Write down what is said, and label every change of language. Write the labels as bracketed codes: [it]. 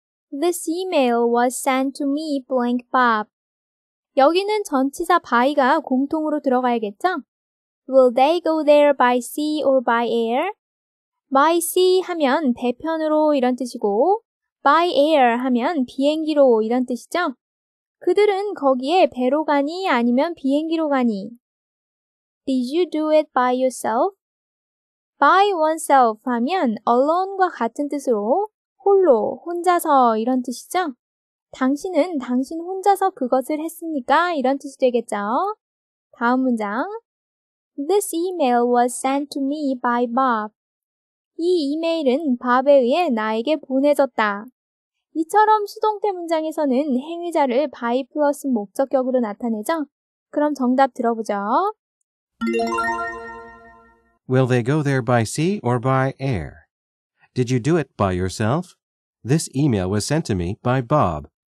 [en] This email was sent to me blank Bob. [ko] 여기는 전치사 by가 공통으로 들어가야겠죠? [en] Will they go there by sea or by air? [ko] By sea 하면 배편으로 이런 뜻이고, by air 하면 비행기로 이런 뜻이죠? 그들은 거기에 배로 가니 아니면 비행기로 가니? [en] Did you do it by yourself? [ko] By oneself 하면 alone과 같은 뜻으로 홀로, 혼자서 이런 뜻이죠? 당신은 당신 혼자서 그것을 했습니까? 이런 뜻이 되겠죠? 다음 문장. [en] This email was sent to me by Bob. [ko] 이 이메일은 Bob에 의해 나에게 보내졌다. 이처럼 수동태 문장에서는 행위자를 by 플러스 목적격으로 나타내죠? 그럼 정답 들어보죠. [en] Will they go there by sea or by air? Did you do it by yourself? This email was sent to me by Bob.